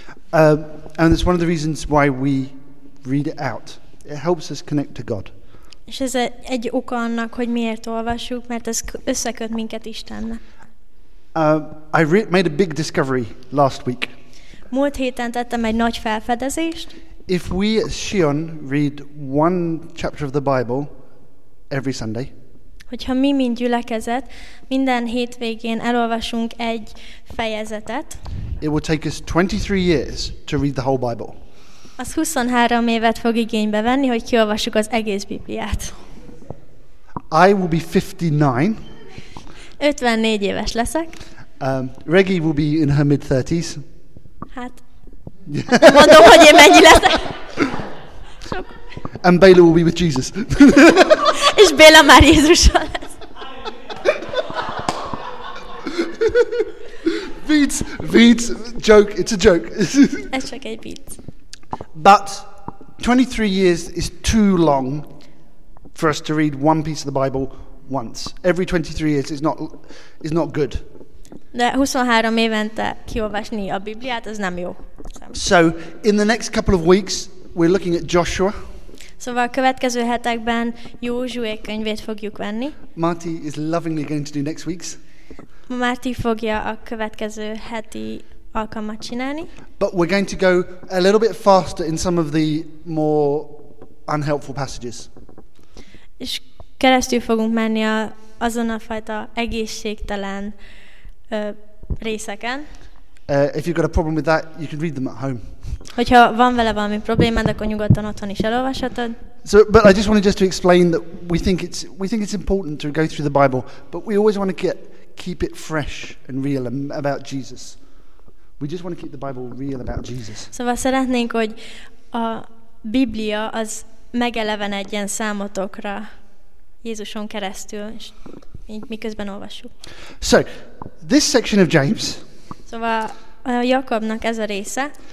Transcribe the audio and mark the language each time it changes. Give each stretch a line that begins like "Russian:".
English: And it's one of the reasons why we read it out. It helps us connect to God.
Hungarian: És ez egy oka annak, hogy miért olvassuk, mert ez összeköt minket Istennel.
English: I made a big discovery last week.
Hungarian: Múlt héten tettem egy nagy felfedezést.
English: If we at Sion read one chapter of the Bible every Sunday,
Hungarian: hogyha mi mind gyülekezet, minden hétvégén elolvasunk egy fejezetet,
English: it will take us 23 years to read the whole Bible.
Hungarian: Az 23 évet fog igénybe venni, hogy kiolvassuk az egész Bibliát.
English: I will be 59.
Hungarian: 54 éves leszek.
English: Reggie will be in her mid-30s.
Hungarian: Hát, mondom, hogy én mennyi leszek. Sok.
English: And Bela will be with Jesus.
Hungarian: És Bela már Jézussal lesz. Vicc,
English: joke, it's a joke.
Hungarian: Ez csak egy vicc.
English: But 23 years is too long for us to read one piece of the Bible once. Every 23 years is not good.
Hungarian: De 23 évente kiolvasni a Bibliát, az nem jó.
English: So, in the next couple of weeks, we're looking at Joshua.
Hungarian: Szóval a következő hetekben Józsué könyvét fogjuk venni.
English: Marty is lovingly going to do next week's.
Hungarian: Marty fogja a következő heti alkalmat csinálni.
English: But we're going to go a little bit faster in some of the more unhelpful passages.
Hungarian: És keresztül fogunk menni azon a fajta egészségtelen részeken.
English: If you've got a problem with that, you can read them at home.
Hungarian: Hogyha van vele valami problémád, akkor nyugodtan otthon is elolvashatod.
English: So, but I just wanted just to explain that we think it's important to go through the Bible, but we always want to keep it fresh and real about Jesus. We just want to keep the Bible real about Jesus.
Hungarian: Szóval szeretnénk, hogy a Biblia az megelevenedjen számotokra Jézuson keresztül, és miközben olvassuk.
English: So, this section of James.
Hungarian: Szóval a Jakabnak ez a része.